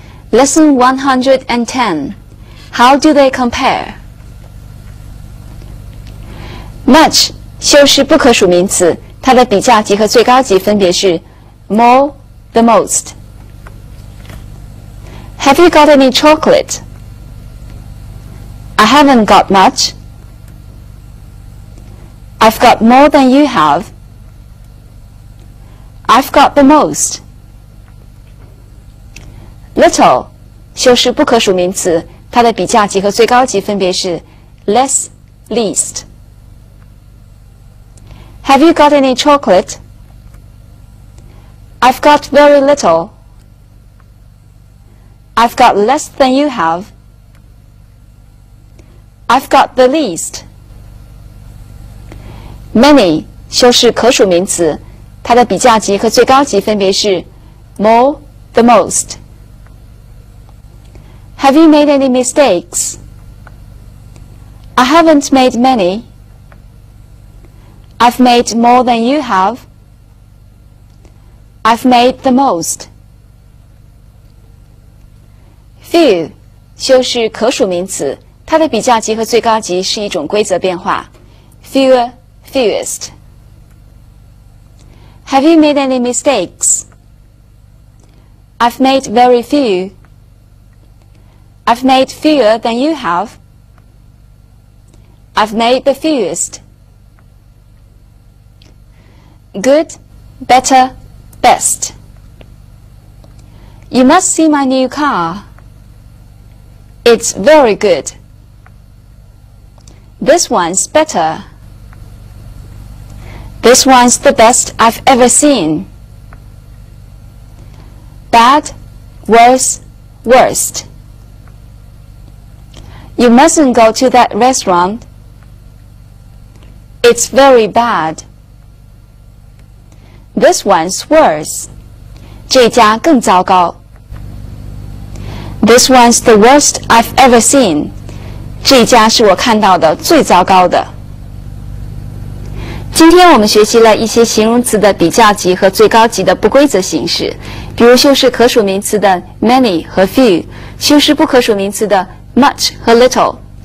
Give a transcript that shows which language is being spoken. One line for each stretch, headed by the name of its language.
English: Lesson 110. How do they compare?
Chinese: Much 修饰不可数名词，它的比较级和最高级分别是
English: more, the most. Have you got any chocolate? I haven't got much. I've got more than you have. I've got the most.
Chinese: Little 修饰不可数名词。它的比较级和最高级分别是
English: less, least. Have you got any chocolate? I've got very little. I've got less than you have. I've got the least.
Chinese: Many 修饰可数名词，它的比较级和最高级分别是
English: more, the most. Have you made any mistakes? I haven't made many. I've made more than you have. I've made the most.
Chinese: few 修饰可数名词，它的比较级和最高级是一种规则变化。
English: Fewer, fewest. Have you made any mistakes? I've made very few. I've made fewer than you have. I've made the fewest. Good, better, best. You must see my new car. It's very good. This one's better. This one's the best I've ever seen. Bad, worse, worst. You mustn't go to that restaurant. It's very bad. This one's worse.
Chinese: 这家更糟糕。
English: This one's the worst I've ever seen.
Chinese: 这家是我看到的最糟糕的。今天我们学习了一些形容词的比较级和最高级的不规则形式，比如修饰可数名词的 many 和 few， 修饰不可数名词的 much 和 little。